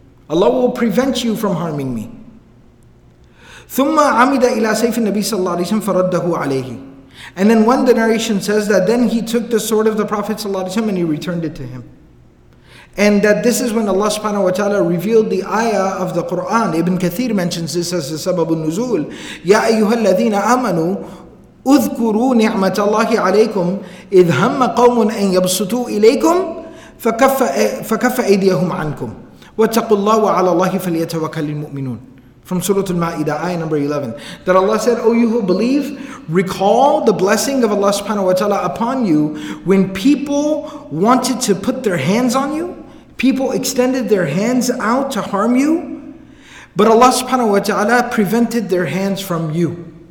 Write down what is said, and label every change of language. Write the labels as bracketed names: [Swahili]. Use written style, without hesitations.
[English] Allah will prevent you from harming me. [Arabic] ثُمَّ عَمِدَ إِلَىٰ سَيْفِ النَّبِي صَلَّىٰ عَلَيْهِ وَسَلَّمَ فَرَدَّهُ عَلَيْهِ. [English] And then one the narration says that then he took the sword of the Prophet ﷺ and he returned it to him. And that this is when Allah subhanahu wa ta'ala revealed the ayah of the Qur'an. Ibn Kathir mentions this as the sabab al-nuzul. [Arabic] يَا أَيُّهَا الَّذِينَ آمَنُوا اذكروا نعمة الله عليكم إذ هم قوم أن يبسطوا إليكم فكف أيديهم عنكم واتقوا الله وعلى الله فليتوكل المؤمنون. [English] From Surah Al-Ma'idah, ayah number 11. That Allah said, "O you who believe, recall the blessing of Allah subhanahu wa ta'ala upon you when people wanted to put their hands on you, people extended their hands out to harm you, but Allah subhanahu wa ta'ala prevented their hands from you.